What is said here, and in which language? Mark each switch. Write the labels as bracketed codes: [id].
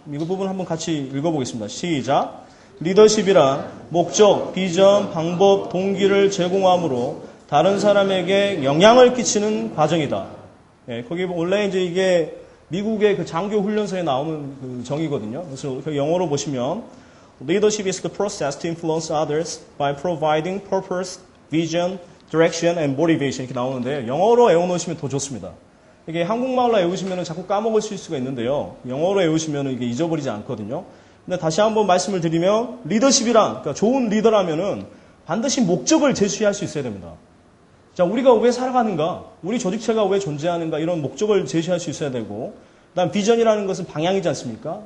[ko] 이 부분 한번 같이 읽어보겠습니다. 시작! 리더십이란 목적, 비전, 방법, 동기를 제공함으로 다른 사람에게 영향을 끼치는 과정이다. 예, 거기 원래 이제 이게 미국의 그 장교 훈련서에 나오는 그 정의거든요. 그래서 영어로 보시면 [en] Leadership is the process to influence others by providing purpose, vision, direction, and motivation. [ko] 이렇게 나오는데 영어로 외워놓으시면 더 좋습니다. 이게 한국말로 외우시면 자꾸 까먹으실 수가 있는데요. 영어로 외우시면 이게 잊어버리지 않거든요. 근데 다시 한번 말씀을 드리면 리더십이란 그러니까 좋은 리더라면은 반드시 목적을 제시할 수 있어야 됩니다. 자, 우리가 왜 살아가는가? 우리 조직체가 왜 존재하는가? 이런 목적을 제시할 수 있어야 되고, 그다음 비전이라는 것은 방향이지 않습니까?